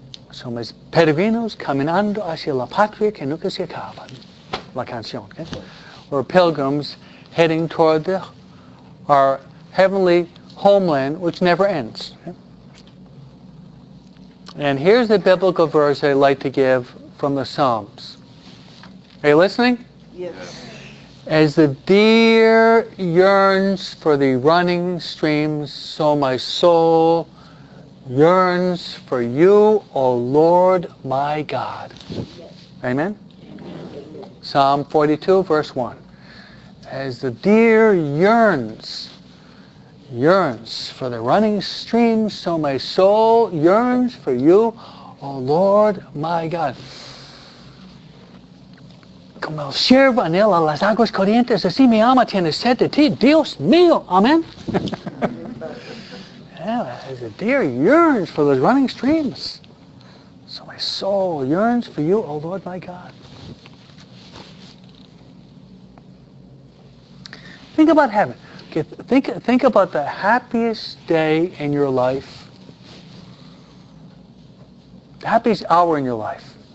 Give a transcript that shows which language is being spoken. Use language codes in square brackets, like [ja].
[es] Somos peregrinos caminando hacia la patria que nunca se acaba. La canción. [en] Okay? We're pilgrims heading toward our heavenly homeland, which never ends. Okay? And here's the biblical verse I'd like to give from the Psalms. Are you listening? Yes. As the deer yearns for the running streams, so my soul yearns for you, O Lord my God. Yes. Amen? Amen? Psalm 42, verse 1. As the deer yearns for the running streams, so my soul yearns for you, O Lord my God. [es] Como el siervo anhela las aguas corrientes, así mi alma tiene sed de ti, Dios mío. [en] Amen. Yeah, as a deer yearns for those running streams, so my soul yearns for you, O Lord my God. Think about heaven. Okay, think about the happiest day in your life, the happiest hour in your life.